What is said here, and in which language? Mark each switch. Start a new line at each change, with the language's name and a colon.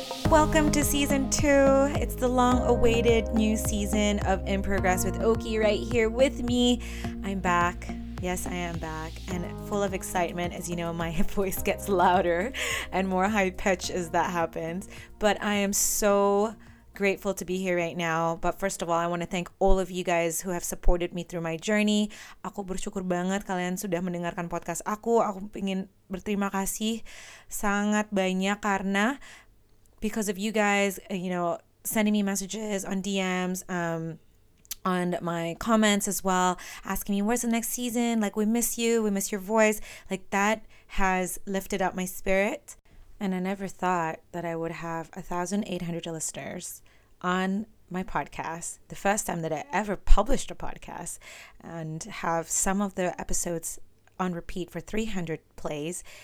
English: Welcome to season two. It's the long-awaited new season of In Progress with Oki right here with me. I'm back. Yes, I am back and full of excitement. As you know, my voice gets louder and more high pitch as that happens. But I am so grateful to be here right now. But first of all, I want to thank all of you guys who have supported me through my journey.
Indonesian: Aku bersyukur banget kalian sudah mendengarkan podcast aku. Aku ingin berterima kasih sangat banyak karena
English: because of you guys, you know, sending me messages on DMs, on my comments as well, asking me, where's the next season? Like, we miss you. We miss your voice. Like, that has lifted up my spirit. And I never thought that I would have 1,800 listeners on my podcast, the first time that I ever published a podcast, and have some of the episodes on repeat for 300 plays.